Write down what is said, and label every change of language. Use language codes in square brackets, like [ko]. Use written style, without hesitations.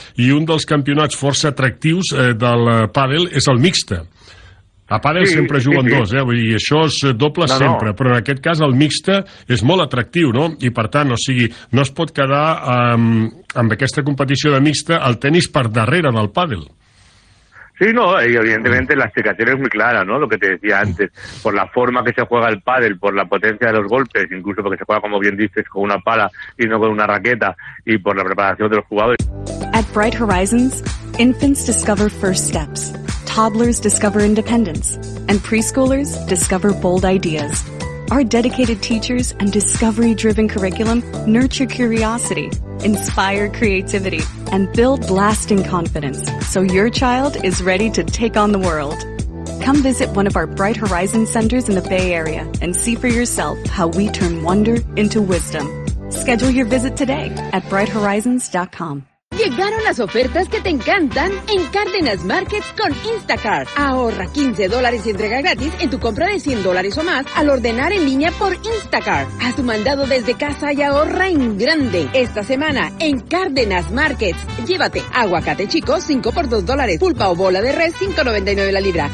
[ca] I un dels campionats força atractius del pàdel és el mixte. A pàdel sempre juguen dos, vull dir, això és doble sempre, però en aquest cas el mixte és molt atractiu, no? I per tant, o sigui, no es pot quedar amb aquesta competició de mixte el tenis per darrere del pàdel. [es] Sí, no, y evidentemente la explicación es muy clara, ¿no? Lo que te decía antes, por la forma que se juega el pádel, por la potencia de los golpes, incluso porque se juega, como bien dices, con una pala y no con una raqueta, y por la preparación de los jugadores. [en] At Bright Horizons, infants discover first steps, toddlers discover independence, and preschoolers discover bold ideas. Our dedicated teachers and discovery-driven curriculum nurture curiosity, inspire creativity, and build lasting confidence so your child is ready to take on the world. Come visit one of our Bright Horizon centers in the Bay Area and see for yourself how we turn wonder into wisdom. Schedule your visit today at brighthorizons.com. [es] Llegaron las ofertas que te encantan en Cárdenas Markets con Instacart. Ahorra $15 y entrega gratis en tu compra de $100 o más al ordenar en línea por Instacart. Haz tu mandado desde casa y ahorra en grande. Esta semana en Cárdenas Markets, llévate aguacate chico 5 por $2, pulpa o bola de res 5.99 la libra.